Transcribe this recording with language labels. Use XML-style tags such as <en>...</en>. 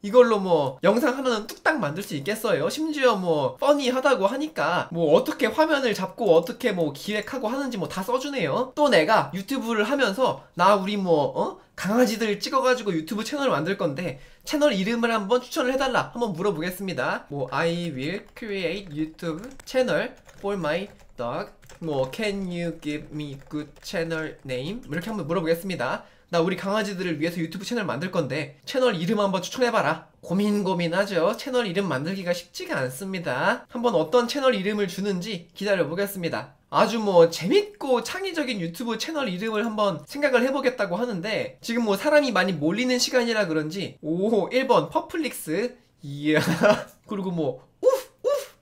<ko>이걸로 뭐 영상 하나는 뚝딱 만들 수 있겠어요. 심지어 뭐 funny 하다고 하니까 뭐 어떻게 화면을 잡고 어떻게 뭐 기획하고 하는지 뭐 다 써주네요. 또 내가 유튜브를 하면서 나 우리 뭐 어? 강아지들 찍어가지고 유튜브 채널을 만들 건데 채널 이름을 한번 추천을 해달라 한번 물어보겠습니다.</ko> <en>뭐 I will create YouTube channel for my dog. 뭐 Can you give me good channel name?</en> <ko>이렇게 한번 물어보겠습니다. 나 우리 강아지들을 위해서 유튜브 채널 만들 건데 채널 이름 한번 추천해봐라. 고민하죠. 채널 이름 만들기가 쉽지가 않습니다. 한번 어떤 채널 이름을 주는지 기다려보겠습니다. 아주 뭐 재밌고 창의적인 유튜브 채널 이름을 한번 생각을 해보겠다고 하는데 지금 뭐 사람이 많이 몰리는 시간이라 그런지 오 1번 퍼플릭스 이야 그리고 뭐 우프 우프</ko>